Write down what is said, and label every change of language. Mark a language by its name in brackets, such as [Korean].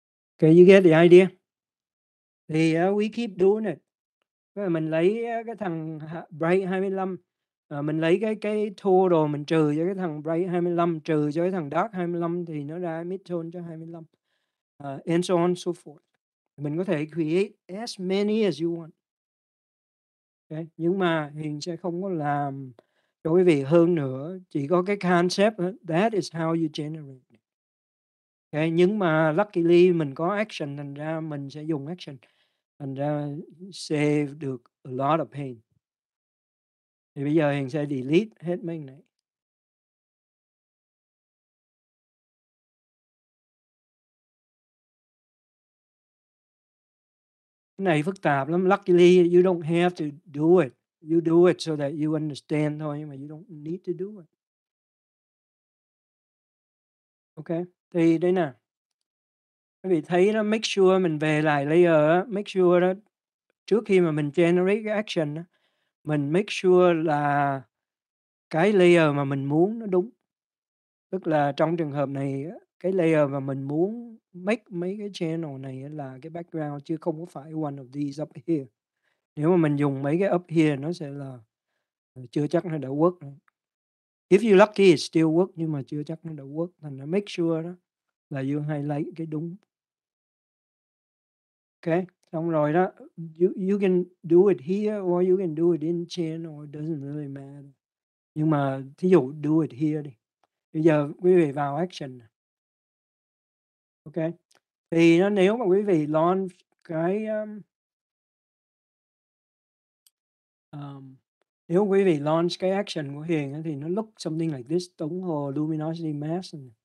[English] Ok, you get the idea. Thì we keep doing it. [Vietnamese] Mình lấy cái thằng [English] bright 25 [Vietnamese] mình lấy cái total mình trừ cho cái thằng bright 25, trừ cho cái thằng dark 25 thì nó ra mid-tone cho 25. [English] And so on so forth. [Vietnamese] Mình có thể [English] create as many as you want. Okay. [Vietnamese] Nhưng mà hiện sẽ không có làm cho quý vị hơn nữa. Chỉ có cái [English] concept that is how you generate. Okay. [Vietnamese] Nhưng mà luckily mình có action, thành ra mình sẽ dùng action. Thành ra save được [English] a lot of pain. [Vietnamese] Thì bây giờ hiện sẽ delete hết mấy này. Này phức tạp lắm. [English] Luckily, you don't have to do it. You do it so that you understand thôi, [Vietnamese] nhưng mà [English] you don't need to do it. [Vietnamese] Okay. Thì đây nè. Các vị thấy đó, make sure mình về lại layer, make sure đó, trước khi mà mình generate action, mình make sure là cái layer mà mình muốn nó đúng. Tức là trong trường hợp này, cái layer mà mình muốn make mấy cái channel này là cái background, chứ không có phải [English] one of these up here. [Vietnamese] Nếu mà mình dùng mấy cái up here, nó sẽ là chưa chắc nó đã work. [English] If you're lucky, it still work, [Vietnamese] nhưng mà chưa chắc nó đã work. Thành ra make sure đó là [English] you highlight [Vietnamese] cái đúng. Okay, xong rồi đó. [English] You can do it here or you can do it in channel. It doesn't really matter. [Vietnamese] Nhưng mà thí dụ [English] do it here [Vietnamese] đi. Bây giờ quý vị vào action. Okay. Thì nó, nếu mà quý vị launch cái nếu quý vị launch cái action của Hiền thì nó [English] look something like this, [Vietnamese] tổng hồ luminosity mask.